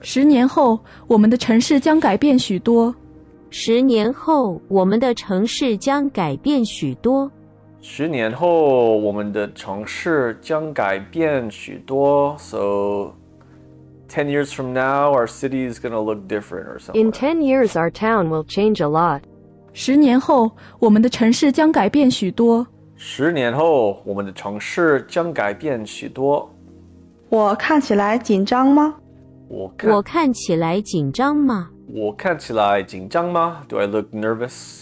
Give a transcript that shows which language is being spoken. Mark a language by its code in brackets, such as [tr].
[zh] 十年后，我们的城市将改变许多。十年后，我们的城市将改变许多。十年后，我们的城市将改变许多。 [en] So, 10 years from now, our city is going to look different or something. In 10 years, our town will change a lot. [zh] 十年后，我们的城市将改变许多。十年后，我们的城市将改变许多。我看起来紧张吗？我看起来紧张吗？我看起来紧张吗? [en] Do I look nervous?